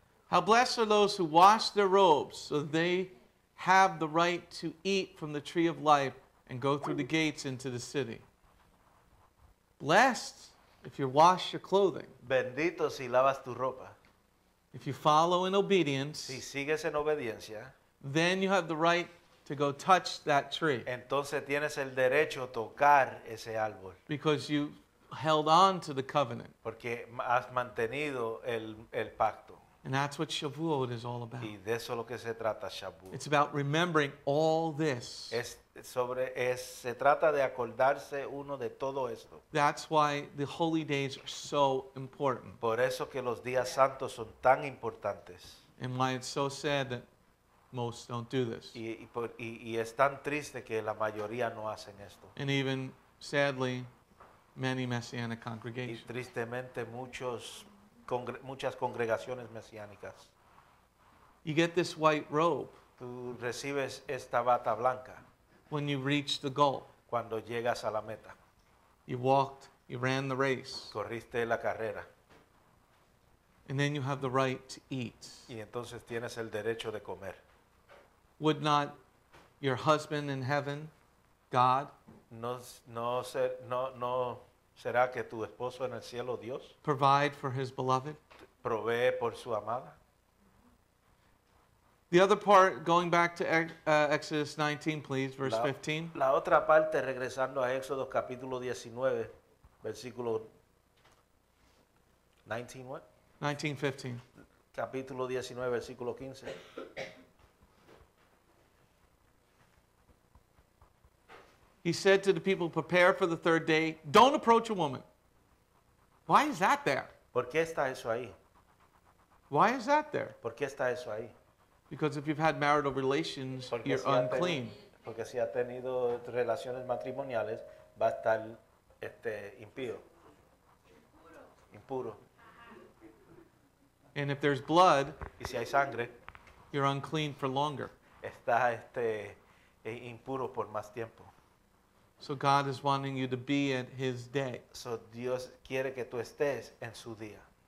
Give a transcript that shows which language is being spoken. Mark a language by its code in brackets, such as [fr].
[en] How blessed are those who wash their robes so they have the right to eat from the tree of life and go through the gates into the city. Blessed if you wash your clothing. [es] Bendito si lavas tu ropa. [en] If you follow in obedience, [es] si sigues en obediencia, [en] then you have the right to go touch that tree. [es] Entonces tienes el derecho a tocar ese árbol. [en] Because you held on to the covenant. [es] Porque has mantenido el pacto. [en] And that's what Shavuot is all about. [es] Y de eso lo que se trata, Shavuot. [en] It's about remembering all this. [es] Se trata de acordarse uno de todo esto. [en] That's why the holy days are so important. [es] Por eso que los días santos son tan importantes. [en] And why it's so sad that most don't do this. [es] Y es tan triste que la mayoría no hacen esto. [en] And even sadly, many messianic congregations. [es] Y tristemente muchas congregaciones mesiánicas. [en] You get this white robe. [es] Tú recibes esta bata blanca. [en] When you reach the goal. [es] Cuando llegas a la meta. [en] You walked. You ran the race. [es] Corriste la carrera. [en] And then you have the right to eat. [es] Y entonces tienes el derecho de comer. [en] Would not your husband in heaven, God, [es] no será que tu esposo en el cielo, Dios, [en] provide for his beloved? [es] Provee por su amada. [en] The other part, going back to Exodus 19, please, verse 15. [es] La otra parte, regresando a Éxodo capítulo 19, versículo [en] 19:15. [es] Capítulo 19, versículo 15. [en] He said to the people, prepare for the third day. Don't approach a woman. Why is that there? [es] ¿Por qué está eso ahí? [en] Why is that there? [es] ¿Por qué está eso ahí? [en] Because if you've had marital relations, [es] porque [en] you're [es] si [en] unclean. [es] Porque si ha tenido relaciones matrimoniales, va a estar impío. Impuro. [en] And if there's blood, [es] y si hay sangre, [en] you're unclean for longer. [es] Está impuro por más tiempo. [en] So God is wanting you to be at his day. [es] So Dios quiere que tú estés en su día.